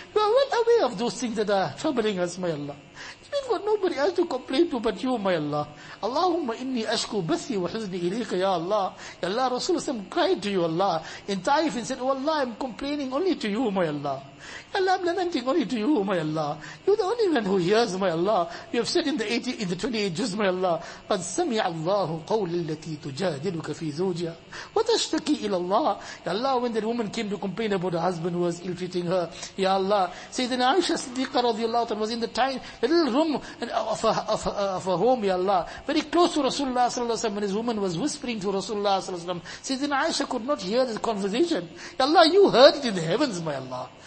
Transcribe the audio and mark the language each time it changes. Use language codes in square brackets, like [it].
[en] We are well aware of those things that are troubling us, my Allah. We've got nobody else to complain to but you, my Allah. [ar] Allahumma inni ashku bathi wa hizni ilayka, [en] ya Allah. Ya Allah, Rasulullah cried to you, Allah, in Taif and said, oh Allah, I'm complaining only to you, my Allah. Ya Allah, I'm lamenting only to you, my Allah. You're the only one who hears, my Allah. You have said in the 28 juz, my Allah, [ar] قَدْ سَمِعَ اللَّهُ قَوْلِ الَّتِي تُجَادِلُكَ فِي زُوجِهَا وَتَشْتَكِي إِلَى اللَّهِ. [en] Ya Allah, when that woman came to complain about her husband who was ill-treating her, ya Allah, Sayyidina Aisha Siddiqa radiallahu ta'ala was in the time, a little room of her home, ya Allah, very close to Rasulullah sallallahu alayhi wa sallam, and his woman was whispering to Rasulullah sallallahu alayhi wa sallam. Sayyidina Aisha could not hear this conversation. Ya Allah, you heard it in the heavens, my Allah.